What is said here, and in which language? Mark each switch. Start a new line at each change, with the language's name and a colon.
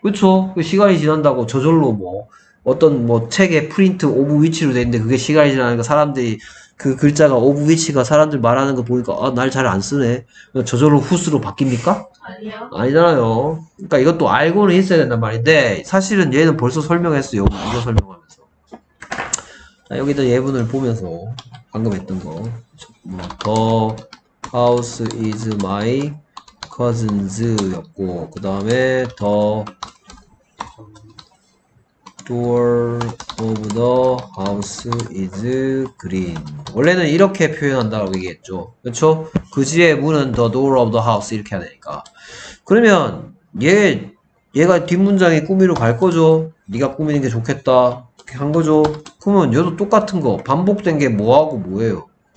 Korean: 그렇죠. 시간이 지난다고 저절로 뭐 어떤 뭐 책에 프린트 오브 위치로 돼 있는데 그게 시간이 지나니까 사람들이 그 글자가 오브 위치가 사람들 말하는 거 보니까 아, 날잘안 쓰네. 저절로 후스로 바뀝니까? 아니잖아요. 그러니까 이것도 알고는 있어야 된단 말인데 사실은 얘는 벌써 설명했어요. 이거 설명하면서. 여기다 예문을 보면서 방금 했던 거.
English: The house is my cousin's
Korean: 였고, 그 다음에
English: the door of the house is green.
Korean: 원래는 이렇게 표현한다고 얘기했죠. 그쵸? 그 집의 문은
English: the door of the house
Korean: 이렇게 해야 되니까. 그러면 얘가 뒷문장이 꾸미로 갈 거죠? 네가 꾸미는 게 좋겠다. 한 거죠. 그러면 얘도 똑같은 거 반복된 게 뭐하고 뭐예요?